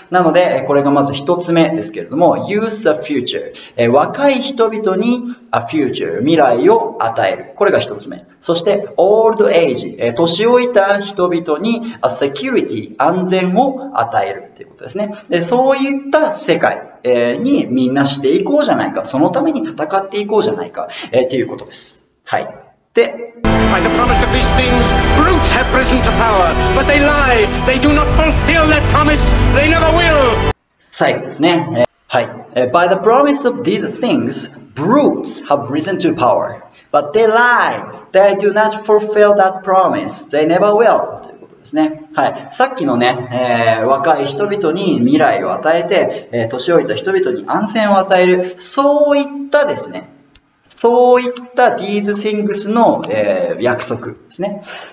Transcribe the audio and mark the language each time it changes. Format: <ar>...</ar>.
<ja>なので、これがまず一つ目ですけれども、</ja> <en>Use the future、</en> <ja>若い人々に</ja> <en>a future、</en> <ja>未来を与える。これが一つ目。そして、</ja> <en>old age、</en> <ja>年老いた人々に</ja> <en>a security、</en> <ja>安全を与えるっていうことですね。で、そういった世界。にみんなしていこうじゃないか、そのために戦っていこうじゃないか、っていうことです。はい。</ja> <en>で、By the promise of these things, brutes have risen to power, but they lie. They do not fulfill that promise. They never will.</en> <ja>最後ですね。はい。</ja> <en>By the promise of these things, brutes have risen to power, but they lie. They do not fulfill that promise. They never will.</en> <ja>ですね。はい。さっきのね、若い人々に未来を与えて、年老いた人々に安全を与える、そういったですね。そういった</ja> <en>these things</en> <ja>の、約束ですね。</ja>